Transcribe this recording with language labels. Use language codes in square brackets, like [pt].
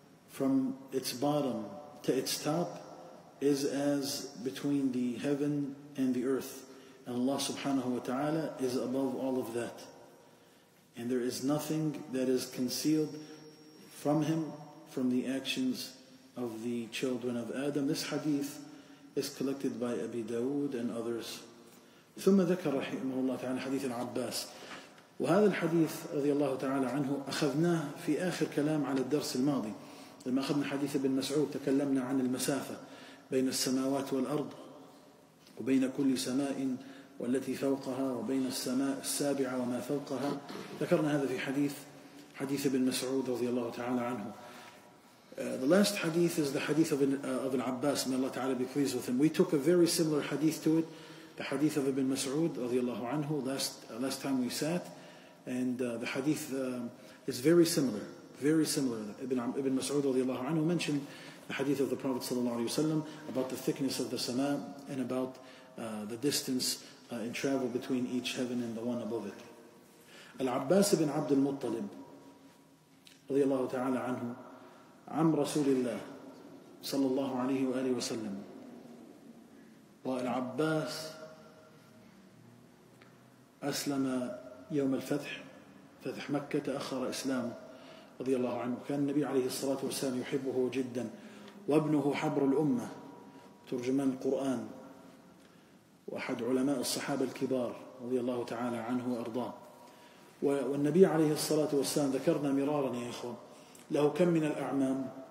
[en] From its bottom to its top is as between the heaven and the earth. And Allah subhanahu wa ta'ala is above all of that. And there is nothing that is concealed from Him, from the actions of the children of Adam. This hadith is collected by Abi Dawood and others. [ar] ثم ذكر رحمه الله تعالى حديث العباس وهذا الحديث رضي الله تعالى عنه أخذناه في آخر كلام على الدرس الماضي لما أخذنا حديث ابن مسعود تكلمنا عن المسافة بين السماوات والأرض وبين كل سماء والتي فوقها وبين السماء السابعة وما فوقها ذكرنا هذا في حديث ابن مسعود رضي الله تعالى عنه. [en] The last hadith is the hadith of Ibn Abbas, may Allah Ta'ala be pleased with him. We took a very similar hadith to it, the hadith of Ibn Mas'ud radiallahu anhu, last time we sat, and the hadith is very similar. Ibn Mas'ud radiallahu anhu mentioned the hadith of the Prophet sallallahu alayhi wa sallam about the thickness of the sama and about the distance in travel between each heaven and the one above it. Al-Abbas ibn Abd al-Muttalib radiallahu ta'ala anhu, [ar] عم رسول الله صلى الله عليه وآله وسلم والعباس أسلم يوم الفتح فتح مكة تأخر إسلامه رضي الله عنه كان النبي عليه الصلاة والسلام يحبه جدا وابنه حبر الأمة ترجمان القرآن وأحد علماء الصحابة الكبار رضي الله تعالى عنه وأرضاه والنبي عليه الصلاة والسلام ذكرنا مرارا يا إخوة له كم من الأعمام؟